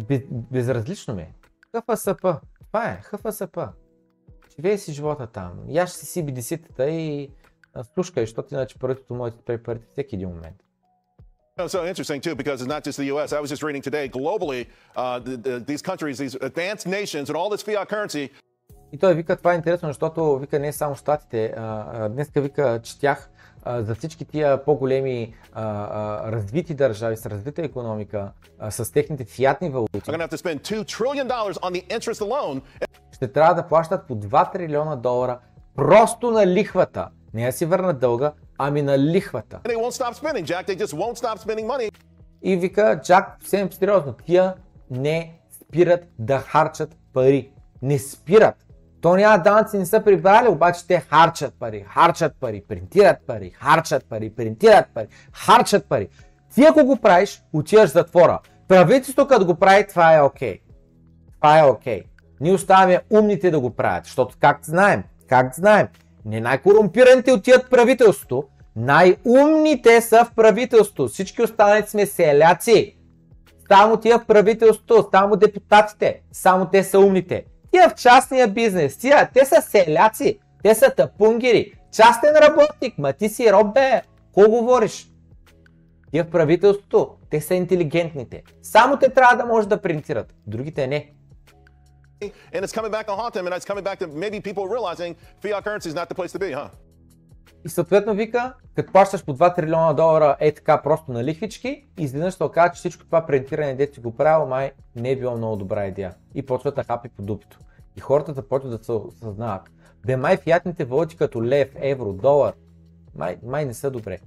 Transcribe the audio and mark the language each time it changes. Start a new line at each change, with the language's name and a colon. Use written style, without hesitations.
Bulgarian: Безразлично ми е. ХФСП, това е, ХФСП. Живее си живота там, яш си CBDC-тата и слушкай, защото иначе парите му е да препарите всеки един момент.
English: So interesting too, because it's not just the U.S. I was just reading today, globally, these countries, these advanced nations, and all this fiat currency.
Bulgarian: И той вика, това е интересно, защото вика не само щатите. Днеска вика, четях за всички тия по-големи развити държави с развита економика, с техните фиатни валути.
English: I'm gonna have to spend $2 trillion on the interest alone.
Bulgarian: Ще трябва да плащат по 2 трилиона долара просто на лихвата. Не да си върнат дълга, ами на лихвата.
English: They won't stop spending, Jack. They just won't stop spending money.
Bulgarian: И вика, Джак, съвсем сериозно, тия не спират да харчат пари. Не спират. То няма данъци не са прибрали, обаче те харчат пари. Харчат пари, принтират пари, харчат пари, принтират пари, харчат пари. Ти ако го правиш, отиваш в затвора. Правителството като го прави, това е окей. Okay. Това е окей. Okay. Ние оставяме умните да го правят, защото как знаем, не най-корумпираните отиват в правителството, най-умните са в правителството. Всички останали сме селяци. Само тия в правителството, само депутатите, само те са умните. Тия в частния бизнес, тия, те са селяци, те са тъпунгири. Частен работник, ма ти си роб, бе, кого говориш? Тия в правителството, те са интелигентните. Само те трябва да може да принтират, другите не.
English: And it's coming back to haunt him, and it's coming back to maybe people realizing fiat currency is not the place to be, huh?
Bulgarian: И съответно вика, като плащаш по 2 трилиона долара е така просто на лихвички, изведнъж се оказа, че всичко това принтиране, дето си го правил, май не е било много добра идея. И почват да хапи по дупито. И хората започват да се осъзнават. Бе, май фиатните валути като лев, евро, долар, май не са добре.